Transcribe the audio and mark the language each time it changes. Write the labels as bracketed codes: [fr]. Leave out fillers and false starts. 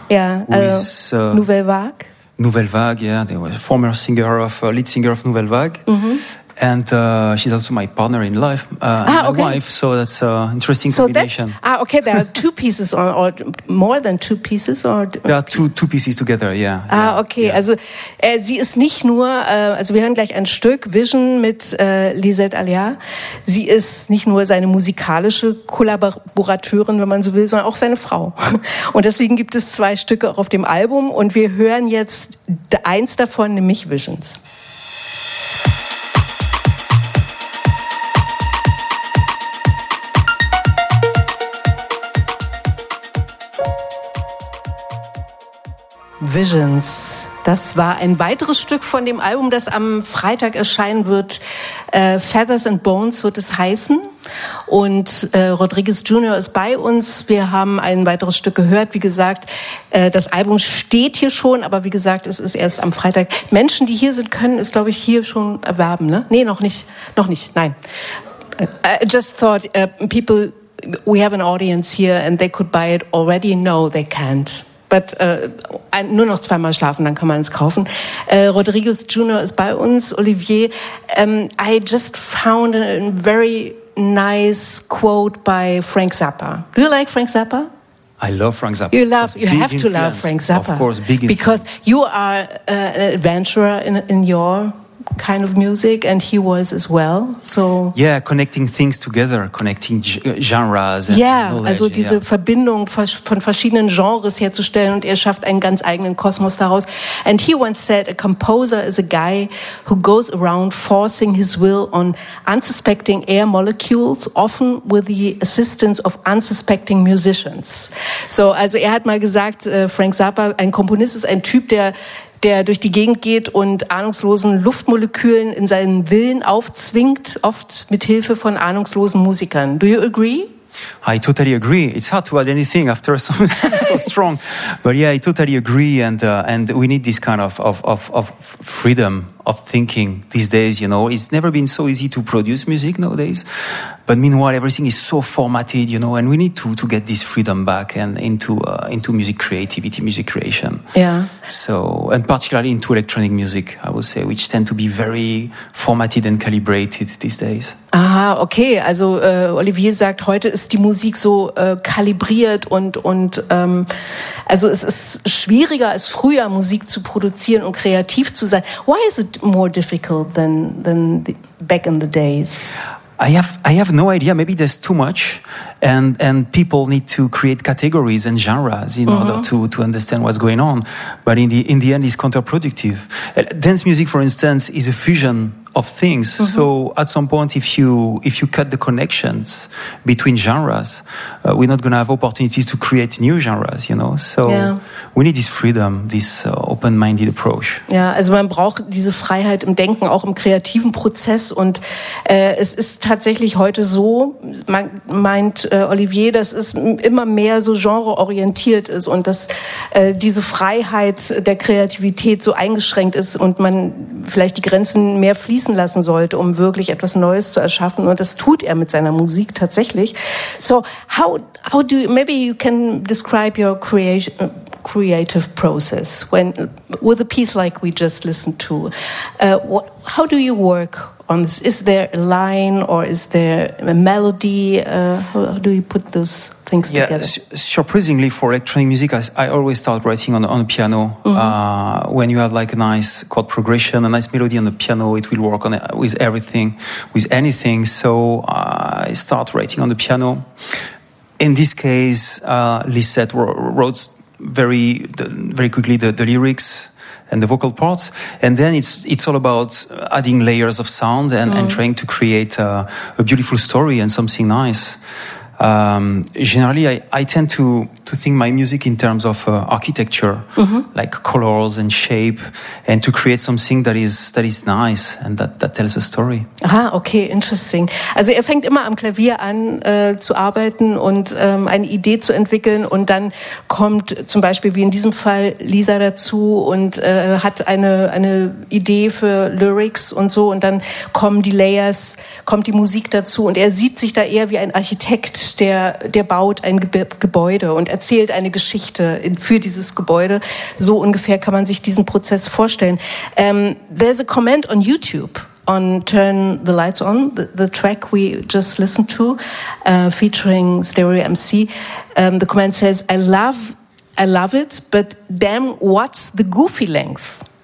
[en] Yeah, with Nouvelle Vague. Nouvelle Vague, yeah. They were former singer of, lead singer of Nouvelle Vague. Mm-hmm. And she's also my partner in life, my wife, so that's an interesting combination. Okay, there are two pieces, or more than two pieces? There are two pieces together, yeah. [de] Also sie ist nicht nur, also wir hören gleich ein Stück, Vision mit Lisette Alliard. Sie ist nicht nur seine musikalische Kollaborateurin, wenn man so will, sondern auch seine Frau. Und deswegen gibt es zwei Stücke auch auf dem Album und wir hören jetzt eins davon, nämlich Visions. Visions. Das war ein weiteres Stück von dem Album, das am Freitag erscheinen wird. Feathers and Bones wird es heißen. Und Rodriguez Jr. ist bei uns. Wir haben ein weiteres Stück gehört. Wie gesagt, das Album steht hier schon, aber wie gesagt, es ist erst am Freitag. Menschen, die hier sind, können es, glaube ich, hier schon erwerben. Ne? Nee, noch nicht. Nein. [en] I just thought people, we have an audience here and they could buy it already. No, they can't. But, [de] nur noch zweimal schlafen, dann kann man es kaufen. [en] Rodriguez Jr. [de] ist bei uns, [en] Olivier. I just found a very nice quote by Frank Zappa. Do you like Frank Zappa? I love Frank Zappa. You have to love Frank Zappa. Of course, big because influence. You are an adventurer in your kind of music, and he was as well. So yeah, connecting things together, connecting genres. [de] Yeah, also diese Verbindung von verschiedenen Genres herzustellen, und er schafft einen ganz eigenen Kosmos daraus. [en] And he once said, a composer is a guy who goes around forcing his will on unsuspecting air molecules, often with the assistance of unsuspecting musicians. [de] So, also er hat mal gesagt, Frank Zappa, ein Komponist ist ein Typ, der durch die Gegend geht und ahnungslosen Luftmolekülen in seinen Willen aufzwingt, oft mit Hilfe von ahnungslosen Musikern. [en] Do you agree? I totally agree. It's hard to add anything after something so strong. But yeah, I totally agree. And we need this kind of freedom of thinking these days, you know. It's never been so easy to produce music nowadays. But meanwhile, everything is so formatted, you know, and we need to get this freedom back and into music creativity, music creation. Yeah. So, and particularly into electronic music, I would say, which tend to be very formatted and calibrated these days. Aha, okay. [de] Also Olivier sagt, heute ist die Musik so kalibriert und also es ist schwieriger als früher, Musik zu produzieren und kreativ zu sein. [en] Why is it more difficult than back in the days? I have no idea. Maybe there's too much, and people need to create categories and genres in order to understand what's going on. But in the end, it's counterproductive. Dance music, for instance, is a fusion of things. Mm-hmm. So at some point, if you cut the connections between genres, we're not going to have opportunities to create new genres, you know. So we need this freedom, this open-minded approach. [de] Ja, also man braucht diese Freiheit im Denken, auch im kreativen Prozess. Und es ist tatsächlich heute so, man meint Olivier, dass es immer mehr so genreorientiert ist und dass diese Freiheit der Kreativität so eingeschränkt ist und man vielleicht die Grenzen mehr fließen lassen sollte, um wirklich etwas Neues zu erschaffen. Und das tut er mit seiner Musik tatsächlich. [en] So, how do you, maybe you can describe your creative process with a piece like we just listened to. How do you work on this? Is there a line or is there a melody? How do you put those things yeah, together. Surprisingly, for electronic music, I always start writing on a piano. Mm-hmm. When you have like a nice chord progression, a nice melody on the piano, it will work on it with everything, with anything. So I start writing on the piano. In this case, Lisette wrote very quickly the lyrics and the vocal parts, and then it's all about adding layers of sound and, mm. and trying to create a beautiful story and something nice. Generally, I tend to think my music in terms of architecture, mm-hmm. like colors and shape, and to create something that is nice and that tells a story. Aha, okay, interesting. [de] Also er fängt immer am Klavier an zu arbeiten und eine Idee zu entwickeln, und dann kommt zum Beispiel wie in diesem Fall Lisa dazu und hat eine Idee für Lyrics und so, und dann kommen die Layers, kommt die Musik dazu, und er sieht sich da eher wie ein Architekt. Der baut ein Gebäude und erzählt eine Geschichte für dieses Gebäude. So ungefähr kann man sich diesen Prozess vorstellen. [en] There's a comment on YouTube on Turn the Lights On, the track we just listened to, featuring Stereo MC. The comment says, I love it, but damn, what's the goofy length?